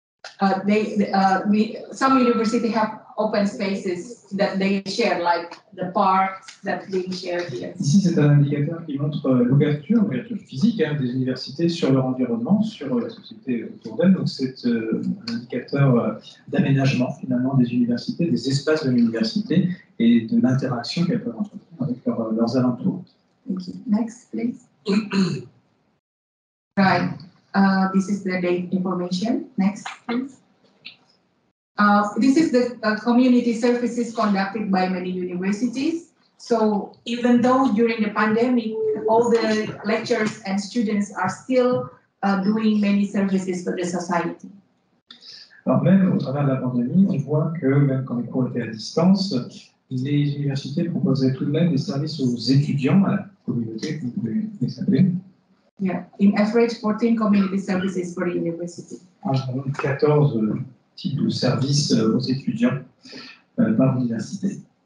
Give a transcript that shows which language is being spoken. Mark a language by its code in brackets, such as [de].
[en] Some universities have open spaces that they share, like the parks that they share here. [fr] Ici, c'est un indicateur qui montre l'ouverture physique des universités sur leur environnement, sur la société autour d'elles. Donc, c'est un indicateur d'aménagement finalement des universités, des espaces de l'université et de l'interaction qu'elles peuvent entretenir avec leurs alentours. [en] Thank you. Next, please. Right. This is the date information. Next, please. This is the community services conducted by many universities. So even though during the pandemic, all the lecturers and students are still doing many services for the society. [fr] Alors même au travers de la pandémie, on voit que même quand les cours étaient à distance, les universités proposaient tout de même des services aux étudiants, à la communauté, vous pouvez les appeler. [en] Yeah, in average 14 community services for the university. [fr] Environ 14 types de services aux étudiants par l'université.